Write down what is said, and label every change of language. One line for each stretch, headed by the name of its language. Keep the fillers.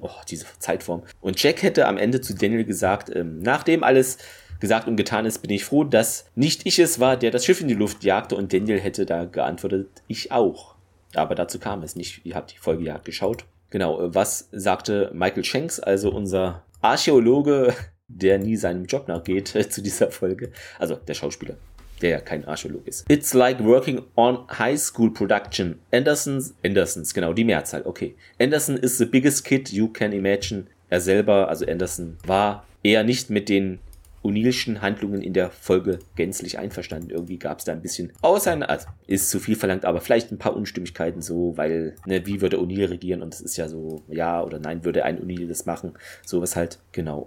German: Oh, diese Zeitform. Und Jack hätte am Ende zu Daniel gesagt, ähm, nachdem alles gesagt und getan ist, bin ich froh, dass nicht ich es war, der das Schiff in die Luft jagte und Daniel hätte da geantwortet, ich auch. Aber dazu kam es nicht. Ihr habt die Folge ja geschaut. Genau, äh, was sagte Michael Shanks, also unser Archäologe, der nie seinem Job nachgeht, äh, zu dieser Folge? Also der Schauspieler, der ja kein Archäologe ist.
English: It's like working on high school production.
German: Andersons, Andersons, genau, die Mehrzahl, okay.
English: Anderson is the biggest kid you can imagine.
German: Er selber, also Anderson, war eher nicht mit den O'Neill'schen Handlungen in der Folge gänzlich einverstanden. Irgendwie gab es da ein bisschen auseinander, also ist zu viel verlangt, aber vielleicht ein paar Unstimmigkeiten so, weil, ne, wie würde O'Neill regieren? Und es ist ja so, ja oder nein, würde ein O'Neill das machen? Sowas halt, genau.